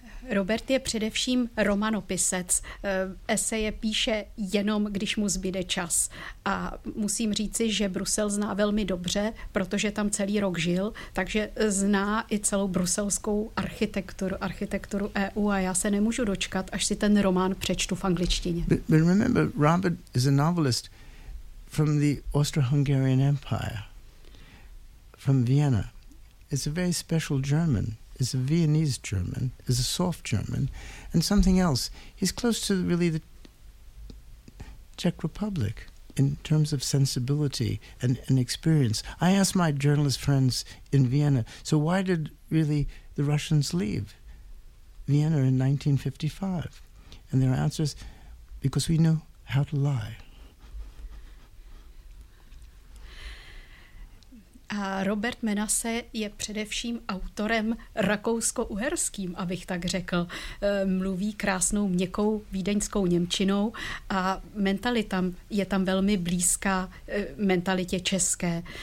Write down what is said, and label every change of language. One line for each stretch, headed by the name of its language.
Czech: Robert je především romanopisec. Eseje píše jenom, když mu zbyde čas. A musím říci, že Brusel zná velmi dobře, protože tam celý rok žil, takže zná i celou bruselskou architekturu EU, a já se nemůžu dočkat, až si ten román přečtu v angličtině.
English: But remember, Robert is a novelist from the Austro-Hungarian Empire, from Vienna. It's a very special German. Is a Viennese German, is a soft German, and something else. He's close to really the Czech Republic in terms of sensibility and experience. I asked my journalist friends in Vienna, so why did really the Russians leave Vienna in 1955? And their answer is, because we know how to lie.
Czech: A Robert Menasse je především autorem rakousko-uherským, abych tak řekl. Mluví krásnou měkkou vídeňskou němčinou a mentalita je tam velmi blízká mentalitě české.